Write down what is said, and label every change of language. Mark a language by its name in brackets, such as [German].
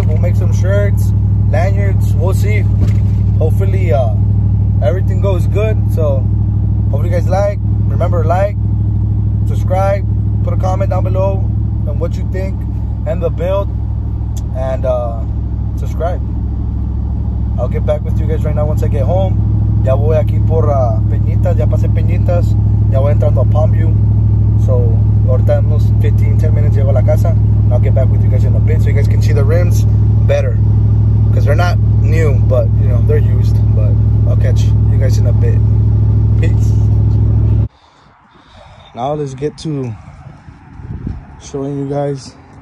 [English] We'll make some shirts, lanyards. We'll see. Hopefully, everything goes good. So hopefully you guys like, remember, like, subscribe, put a comment down below on what you think and the build, and subscribe. I'll get back with you guys right now once I get home. [Spanish] Ya voy aquí por Peñitas, ya pasé Peñitas, ya voy entrando a Palmview. So ahorita unos 15-10 minutes llego a la casa. [English] I'll get back with you guys in a bit so you guys can see the rims better, because they're not new, but you know, they're used. But I'll catch you guys in a bit. Peace. Now let's get to showing you guys.